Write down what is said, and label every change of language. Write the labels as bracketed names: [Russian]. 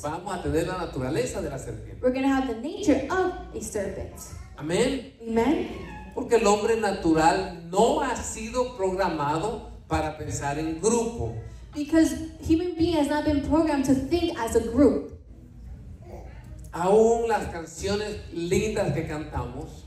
[Spanish] Vamos a tener la naturaleza de la serpiente. [English] We're going to have the nature of a serpent. [Spanish] Amén. [English] Amen. [Spanish] Porque el hombre natural no ha sido programado para pensar en grupo. [English] Because human being has not been programmed to think as a group. [Spanish] Aún las canciones lindas que cantamos,